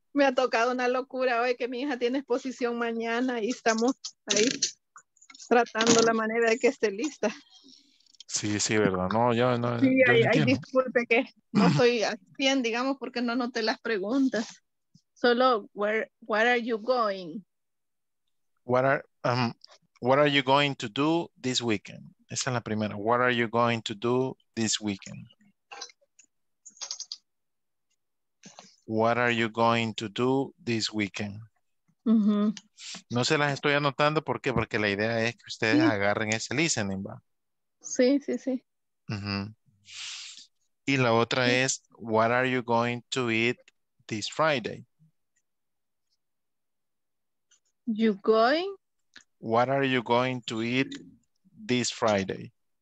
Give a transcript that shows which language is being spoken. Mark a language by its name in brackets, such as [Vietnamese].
[Spanish] Me ha tocado una locura hoy que mi hija tiene exposición mañana y estamos ahí tratando la manera de que esté lista. Sí, verdad. No, yo no. Sí, ahí disculpe que no estoy bien, digamos, porque no noté las preguntas. [English] Solo, where are you going? What are you going to do this weekend? [Spanish] Esa es la primera. [English] What are you going to do this weekend? What are you going to do this weekend? [Spanish] No se las estoy anotando. ¿Por qué? Porque la idea es que ustedes agarren ese listening, ¿va? Sí. Y la otra es, [English] what are you going to eat this Friday? What are you going to eat this Friday?